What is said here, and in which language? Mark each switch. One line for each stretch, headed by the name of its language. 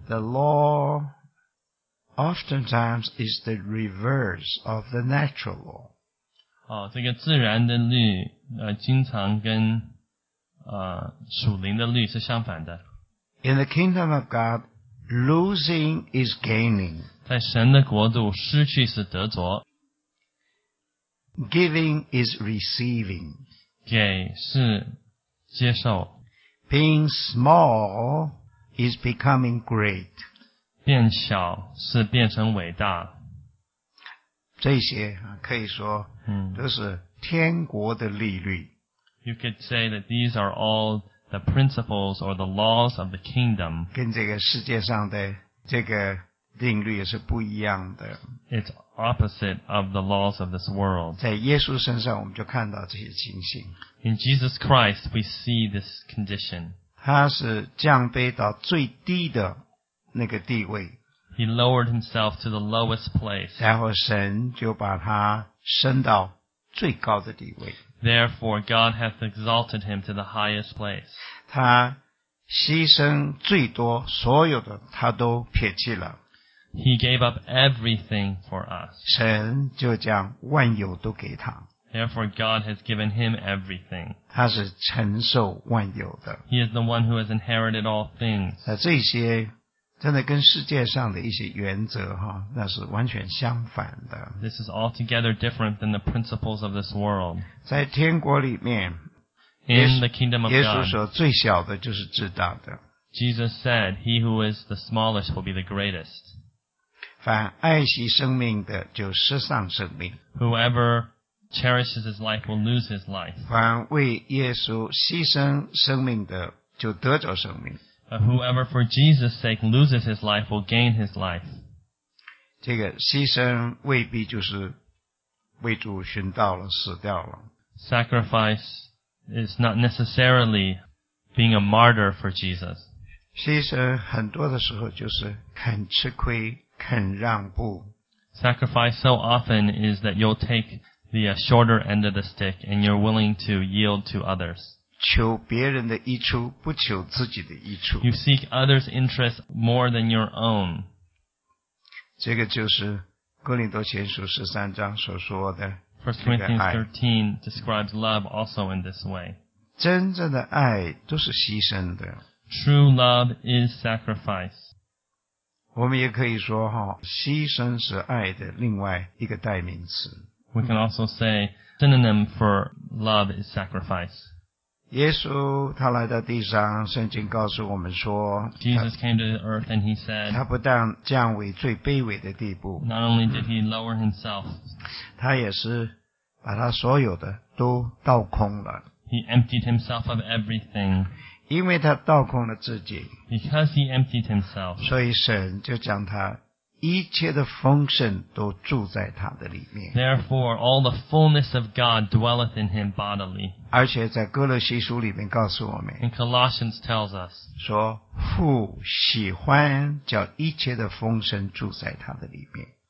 English: the law oftentimes is the reverse of the natural law.
Chinese: 这个自然的律经常跟属灵的律是相反的。
English: In the kingdom of God, losing is gaining.
Chinese: 在神的国度失去是得着。
English: Giving is receiving.
Chinese: 给是接受。
English: Being small is becoming great.
Chinese: 变小是变成伟大。这些可以说都是天国的利率。
English: You could say that these are all the principles or the laws of the kingdom.
Chinese: 跟这个世界上的这个定律是不一样的。
English: It's opposite of the laws of this world.
Chinese: 在耶稣身上我们就看到这些情形。
English: In Jesus Christ, we see this condition.
Chinese: 他是降卑到最低的那个地位。
English: He lowered himself to the lowest place.
Chinese: 然后神就把他升到最高的地位。
English: Therefore, God hath exalted him to the highest place.
Chinese: 他牺牲最多，所有的他都撇弃了。
English: He gave up everything for us.
Chinese: 神就将万有都给他。
English: Therefore, God has given him everything.
Chinese: 他是承受万有的。
English: He is the one who has inherited all things.
Chinese: 那这些真的跟世界上的一些原则哈，那是完全相反的。
English: This is altogether different than the principles of this world.
Chinese: 在天国里面
English: ，In the kingdom of God,
Chinese: 耶稣说最小的就是至大的。
English: Jesus said, "He who is the smallest will be the greatest."
Chinese: 凡爱惜生命的就失丧生命。
English: Whoever cherishes his life will lose his life.
Chinese: 凡为耶稣牺牲生命的就得着生命。
English: But whoever for Jesus' sake loses his life will gain his life.
Chinese: 这个牺牲未必就是为主殉道了，死掉了。
English: Sacrifice is not necessarily being a martyr for Jesus.
Chinese: 牺牲很多的时候就是肯吃亏，肯让步。
English: Sacrifice so often is that you'll take the shorter end of the stick and you're willing to yield to others.
Chinese: 求别人的益处，不求自己的益处。
English: You seek others' interests more than your own.
Chinese: 这个就是哥林多前书十三章所说的。
English: First Corinthians 13 describes love also in this way.
Chinese: 真正的爱都是牺牲的。
English: True love is sacrifice.
Chinese: 我们也可以说哈，牺牲是爱的另外一个代名词。
English: We can also say synonym for love is sacrifice.
Chinese: 耶稣他来到地上，圣经告诉我们说
English: ，Jesus came to earth and he said，
Chinese: 他不但降为最卑微的地步
English: ，Not only did he lower himself，
Chinese: 他也是把他所有的都倒空了。
English: He emptied himself of everything，
Chinese: 因为他倒空了自己
English: ，Because he emptied himself，
Chinese: 所以神就将他一切的丰盛都住在他的里面。
English: Therefore, all the fullness of God dwelleth in him bodily.
Chinese: 而且在哥罗西书里面告诉我们。
English: And Colossians tells us.
Chinese: 说父喜欢叫一切的丰盛住在他的里面。